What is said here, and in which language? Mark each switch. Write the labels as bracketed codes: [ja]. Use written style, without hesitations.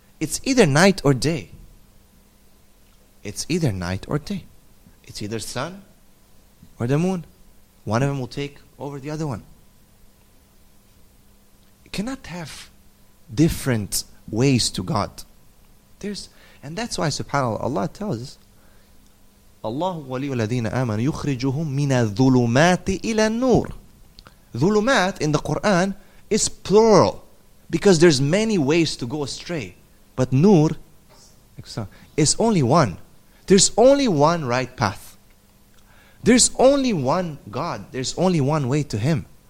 [en] It's either night or day. It's either night or day. It's either sun or the moon. One of them will take over the other one. You cannot have different ways to God. And that's why subhanAllah, Allah tells us, [ar] اللَّهُ وَلِيُّ الَّذِينَ آمَنُوا يُخْرِجُهُمْ مِنَ الظُّلُمَاتِ إِلَى النُّورِ. [en] Dhulumat in the Quran is plural because there's many ways to go astray. But nur is only one. There's only one right path. There's only one God. There's only one way to Him.